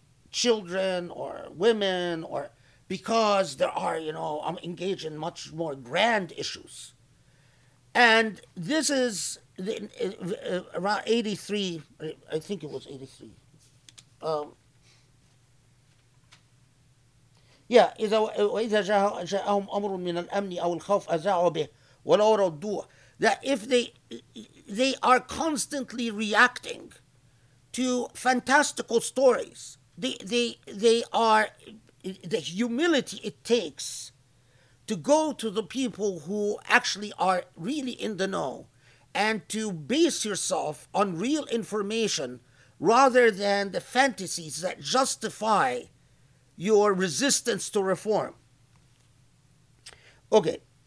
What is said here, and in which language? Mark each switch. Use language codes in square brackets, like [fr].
[en] children or women, or because there are, you know, I'm engaged in much more grand issues. And this is around 83, I think it was 83. [ar] إذا جاءهم أمر من الأمن أو الخوف أزاعوا به ولو ردوه. [en] That if they are constantly reacting to fantastical stories, they are, the humility it takes to go to the people who actually are really in the know and to base yourself on real information rather than the fantasies that justify your resistance to reform. Okay.